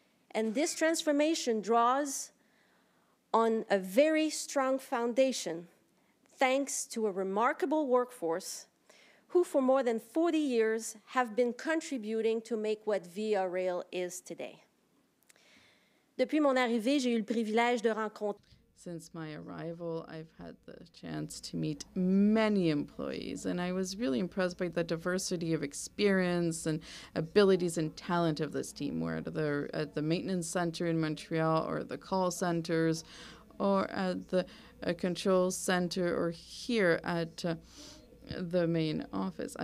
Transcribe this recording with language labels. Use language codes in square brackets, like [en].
[en] And this transformation draws on a very strong foundation, thanks to a remarkable workforce who for more than 40 years have been contributing to make what VIA Rail is today. [fr] Depuis mon arrivée, j'ai eu le privilège de rencontrer. [en] Since my arrival, I've had the chance to meet many employees, and I was really impressed by the diversity of experience and abilities and talent of this team, whether at the maintenance center in Montreal or the call centers or at the control center or here at the main office.